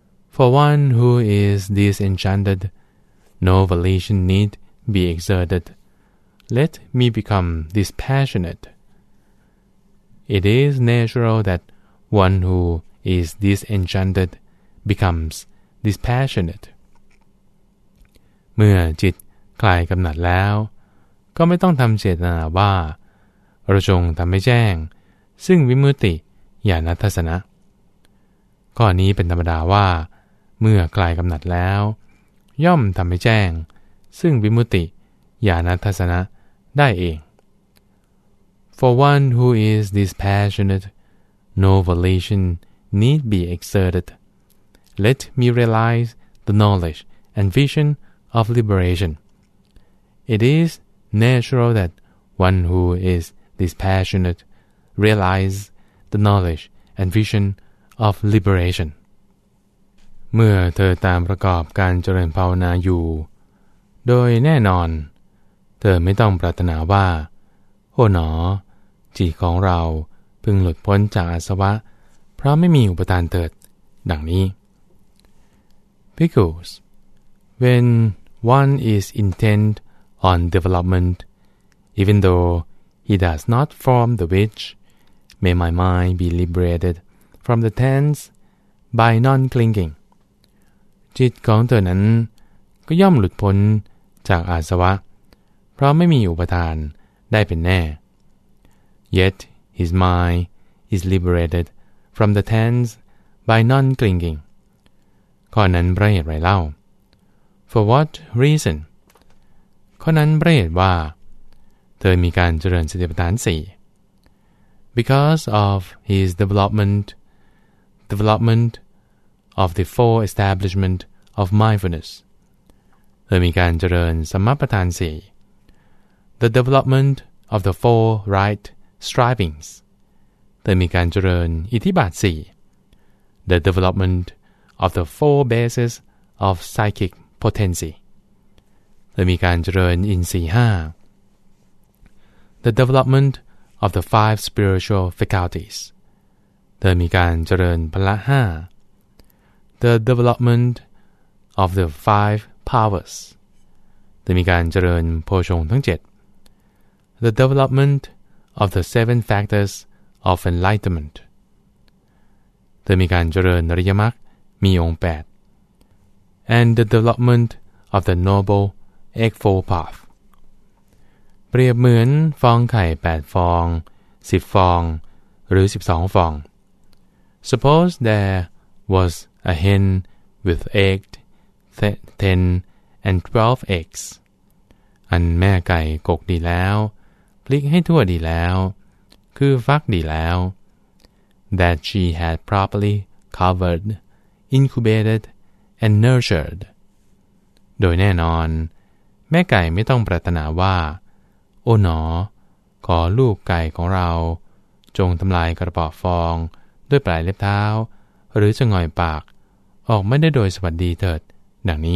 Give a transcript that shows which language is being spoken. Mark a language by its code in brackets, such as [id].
[en] For one who is disenchanted, no volition need be exerted. Let me become dispassionate. It is natural that one who is disenchanted becomes dispassionate. [th] เมื่อจิตคลายกำหนัดแล้วก็ไม่ต้องทำเจตนาว่าเราจงทำให้แจ้งซึ่งวิมุตติญาณทัศนะข้อนี้เป็นธรรมดาว่าเมื่อคลายกำหนัดแล้วย่อมทำให้แจ้งซึ่งวิมุตติญาณทัศนะได้เอง [en] For one who is dispassionate, no volition need be exerted. Let me realize the knowledge and vision of liberation. It is natural that one who is dispassionate realize the knowledge and vision of liberation. [th] เมื่อเธอตามประกอบการเจริญภาวนาอยู่โดยแน่นอนเธอไม่ต้องปรารถนาว่าโอ้หนอจิตของเราพึงหลุดพ้นจากอาสวะเพราะไม่มีอุปทานเติดดังนี้ [en] Because when one is intent on development, even though he does not form the wish, may my mind be liberated from the tense by non-clinging. [th] จิตของเธอนั้นก็ย่อมหลุดพ้นจากอาสวะเพราะไม่มีอุปทานได้เป็นแน่ [en] Yet his mind is liberated from the tense by non-clinging [th] ข้อนั้นเพราะเหตุไรเล่า [en] For what reason [th] ข้อนั้นเพราะเหตุว่าเธอมีการเจริญสติปัฏฐาน 4 [en] Because of his development of the four establishment of mindfulness. [th] เธอมีการเจริญสมัปปทาน 4. [en] The development of the four right strivings. [th] เธอมีการเจริญอิทธิบาท 4. [en] The development of the four bases of psychic potency. [th] เธอมีการเจริญอินทรีย์ 5. [en] The development of the five spiritual faculties. [th] เธอมีการเจริญพละ 5. [en] The development of the five powers. [th] เธอมีการเจริญโพชฌงค์ทั้ง 7. [en] The development of the seven factors of enlightenment. [th] เธอมีการเจริญอริยมรรคมีองค์ 8. [en] And the development of the noble eightfold path. [th] เปรียบเหมือนฟองไข่ 8 ฟอง 10 ฟองหรือ 12 ฟอง [en] Suppose there wasa hen with 8, 10, and 12 eggs. [th] อันแม่ไก่กกดีแล้วพลิกให้ทั่วดีแล้วคือฟักดีแล้ว [en] that she had properly covered, incubated, and nurtured. [th] โดยแน่นอนแม่ไก่ไม่ต้องปรารถนาว่าโอ้หนอขอลูกไก่ของเราจงทำลายกระป๋อฟองด้วยปลายเล็บเท้าหรือจะง่อยปากออกไม่ได้โดยสวัสดีเถิดดังนี